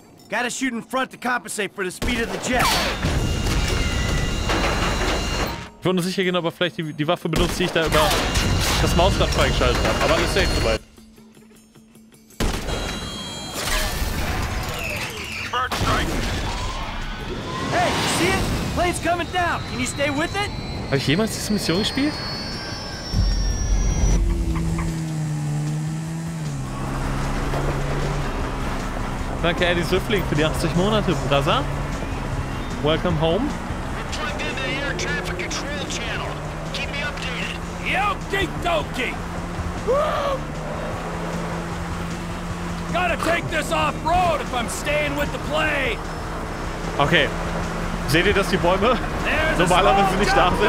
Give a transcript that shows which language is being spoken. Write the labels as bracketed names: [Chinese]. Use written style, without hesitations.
[English] Gotta shoot in front to compensate for the speed of the jet. [German] Ich will nur sicher gehen, aber vielleicht die Waffe benutzt, die ich da über das Mausrad freigeschaltet habe. Aber alles safe soweit. [English] Bird strike. Hey, you see it? Plane's coming down. Can you stay with it? [German] Habe ich jemals diese Mission gespielt? Danke, Eddie Süffling, für die 80 Monate, Brother. [English] Welcome home. Okay, gotta take this off-road if I'm staying with the plane. Okay. [German] Seht ihr, dass die Bäume normalerweise nicht da sind?